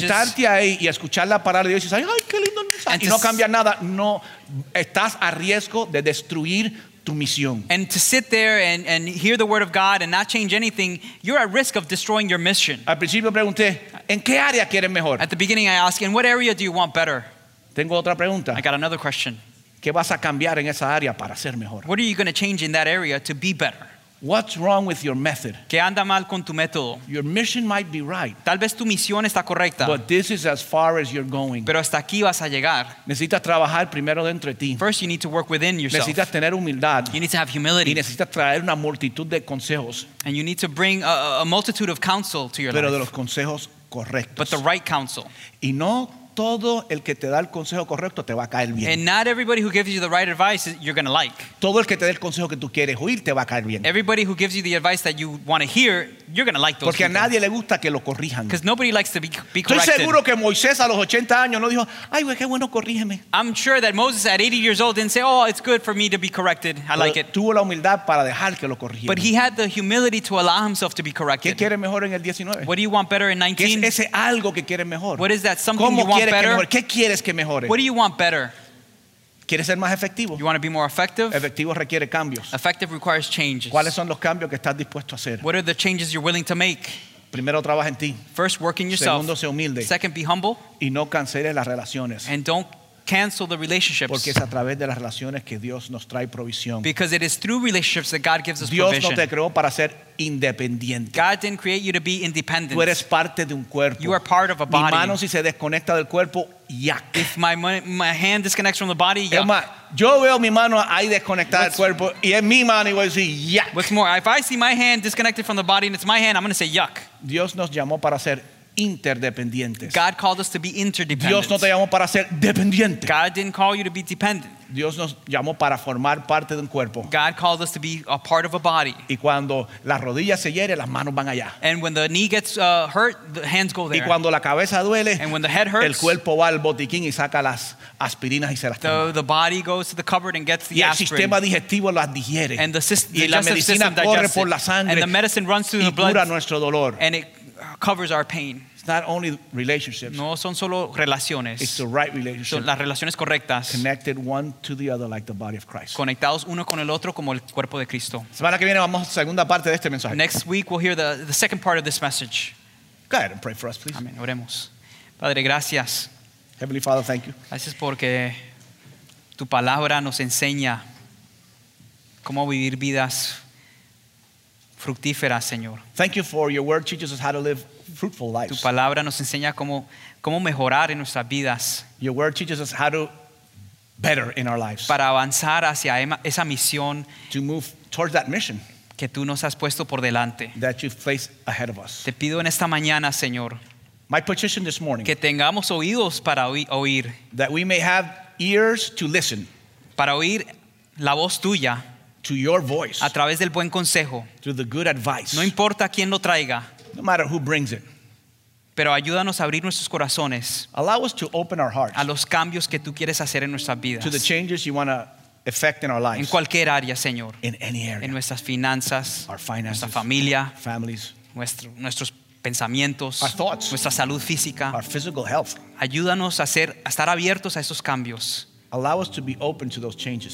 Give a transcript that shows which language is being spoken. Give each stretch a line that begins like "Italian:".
Spanish: Y sentarte ahí y escuchar la palabra de Dios y decir, ay, qué lindo. And y no cambia nada, no estás a riesgo de destruir tu misión.
English: And to sit there and hear the word of God and not change anything, you're at risk of destroying your mission.
Spanish: Al principio pregunté, ¿en qué área quieres mejor?
English: At the beginning I asked, in what area do you want better?
Spanish: Tengo otra pregunta.
English: I got another question.
Spanish: ¿Qué vas a cambiar en esa área para ser mejor?
English: What are you going to change in that area to be better? What's wrong with your method?
Spanish: ¿Qué anda mal con tu método?
English: Your mission might be right.
Spanish: Tal vez tu misión está correcta.
English: But this is as far as you're going.
Spanish: Pero hasta aquí vas a llegar. Necesitas trabajar primero dentro de ti.
English: First you need to work within yourself.
Spanish: Necesitas tener humildad.
English: You need to have humility.
Spanish: Y necesitas traer una multitud de consejos.
English: And you need to bring a multitude of counsel to your
Spanish: pero Pero de los consejos correctos.
English: But the right counsel.
Spanish: Y no todo el que te da el consejo correcto te va a caer bien.
English: And not everybody who gives you the right advice you're going to like.
Spanish: Todo el que te dé el consejo que tú quieres oír te va a caer bien.
English: Everybody who gives you the advice that you want to hear, you're going to like those
Spanish: porque
English: people.
Spanish: A nadie le gusta que lo corrijan.
English: Because nobody likes to be corrected.
Spanish: Estoy seguro que Moisés a los 80 años no dijo, ay, güey, qué bueno, corrígeme.
English: I'm sure that Moses at 80 years old didn't say, oh, it's good for me to be corrected. I like it.
Spanish: Tuvo la humildad para dejar que lo corrijan.
English: But he had the humility to allow himself to be corrected.
Spanish: ¿Qué quiere mejor en el 19?
English: What do you want better in 19?
Spanish: ¿Qué es ese algo que quiere mejor?
English: What is that something you want better?
Spanish: ¿Qué quieres que mejore?
English: What do you want better?
Spanish: ¿Quieres ser más efectivo?
English: You want to be more effective?
Spanish: Efectivo requiere cambios.
English: Effective requires changes.
Spanish: ¿Cuáles son los cambios que estás dispuesto a hacer?
English: What are the changes you're willing to make?
Spanish: Primero trabaja en ti.
English: First work in yourself.
Spanish: Segundo, sé humilde.
English: Second, be humble.
Spanish: Y no canceles las relaciones.
English: And don't cancel the relationships.
Spanish: Porque es a través de las relaciones que Dios nos trae provisión.
English: Because it is through relationships that God gives us
Spanish: Dios
English: provision.
Spanish: No te creó para ser independiente.
English: God didn't create you to be independent.
Spanish: Tú eres parte de un cuerpo.
English: You are part of a body.
Spanish: Mi mano, si se desconecta del cuerpo, yuck.
English: If my hand disconnects from the body, yuck.
Spanish: Yo veo mi mano ahí desconectada del cuerpo y es mi mano y voy a decir yuck.
English: What's more, if I see my hand disconnected from the body and it's my hand, I'm going to say yuck.
Spanish: Dios nos llamó para ser interdependientes.
English: God called us to be interdependent.
Spanish: Dios no te llamó para ser dependiente.
English: God didn't call you to be dependent.
Spanish: Dios nos llamó para formar parte de un cuerpo.
English: God called us to be a part of a body.
Spanish: Y cuando las rodillas se hieren, las manos van allá.
English: And when the knee gets hurt, the hands go there.
Spanish: Y cuando la cabeza duele,
English: and when the head hurts,
Spanish: el cuerpo va al botiquín y saca las aspirinas y se las toma.
English: The body goes to the cupboard and gets the
Spanish: y el
English: aspirin.
Spanish: Sistema digestivo las digiere.
English: And the system,
Spanish: y la medicina corre por la sangre.
English: And the medicine runs through
Spanish: y
English: the blood.
Spanish: Cura nuestro dolor.
English: And it covers our pain. It's not only relationships.
Spanish: No son solo relaciones.
English: It's the right relationship.
Spanish: Son las relaciones correctas.
English: Connected one to the other like the body of Christ.
Spanish: Conectados uno con el otro como el cuerpo de Cristo. Semana que viene vamos a segunda parte de este mensaje.
English: Next week we'll hear the second part of this message. Go ahead and pray for us, please.
Spanish: Amén. Oremos. Padre, gracias.
English: Heavenly Father, thank you.
Spanish: Gracias porque tu palabra nos enseña cómo vivir vidas fructíferas, Señor.
English: Thank you for your word teaches us how to live fruitful lives.
Spanish: Tu palabra nos enseña cómo mejorar en nuestras vidas.
English: Your word teaches us how to better in our lives.
Spanish: Para avanzar hacia esa misión.
English: To move towards that mission.
Spanish: Que tú nos has puesto por delante.
English: That you've placed ahead of us.
Spanish: Te pido en esta mañana, Señor.
English: My petition this morning.
Spanish: Que tengamos oídos para oír.
English: That we may have ears to listen.
Spanish: Para oír la voz tuya.
English: To your voice.
Spanish: A través del buen consejo.
English: Through the good advice.
Spanish: No importa quién lo traiga.
English: No matter who brings it.
Spanish: Pero ayúdanos a abrir nuestros corazones.
English: Allow us to open our hearts.
Spanish: A los cambios que tú quieres hacer en nuestras vidas.
English: To the changes you want to effect in our lives.
Spanish: En cualquier área, Señor.
English: In any area.
Spanish: En nuestras finanzas.
English: Our finances.
Spanish: Nuestra familia.
English: Families.
Spanish: Nuestros pensamientos.
English: Our thoughts.
Spanish: Nuestra salud física.
English: Our physical health.
Spanish: Ayúdanos a estar abiertos a esos cambios.
English: Allow us to be open to those changes.